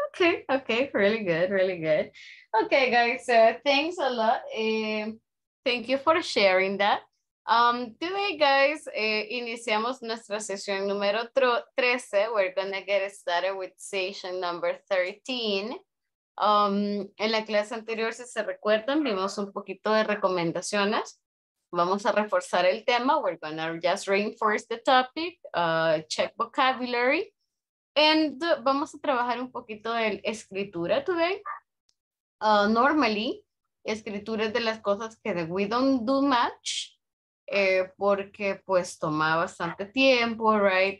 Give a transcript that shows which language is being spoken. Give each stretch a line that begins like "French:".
English: Okay. Okay. Really good. Really good. Okay, guys, so thanks a lot. Thank you for sharing that. Today, guys,
Spanish: iniciamos nuestra sesión número 13.
English: We're going to get started with session number 13.
Spanish: En la clase anterior, si se recuerdan, vimos un poquito de recomendaciones. Vamos a reforzar el tema.
English: We're going to just reinforce the topic, check vocabulary.
Spanish: And vamos a trabajar un poquito de escritura today. Normally, escritura es de las cosas que
English: we don't do much
Spanish: porque pues toma bastante tiempo, right?